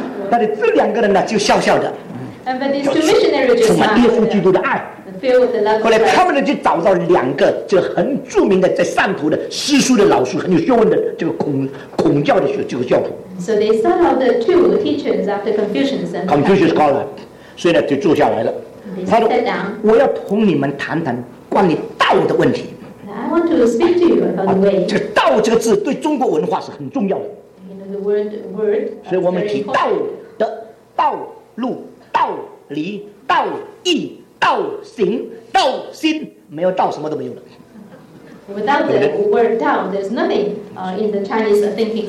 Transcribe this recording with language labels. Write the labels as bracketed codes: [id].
[zh] 但是这两个人呢，就笑笑的，充满耶稣基督的爱。后来他们呢，就找到两个这个很著名的在汕头的诗书的老师，很有学问的这个孔教的这个教徒。 [en] So they sent out the two teachers after Confucius. Confucius scholar， [zh] 所以呢，就坐下来了。他说：“我要同你们谈谈关于道的问题。 [en] I want to speak to you about the way。 [zh] 这个道这个字对中国文化是很重要的。 [en] You know the word. [zh] 所以我们提道德、道路、道理、道义、道行、道心，没有道什么都没有了。 [en] Without the word down, there's nothing in the Chinese thinking。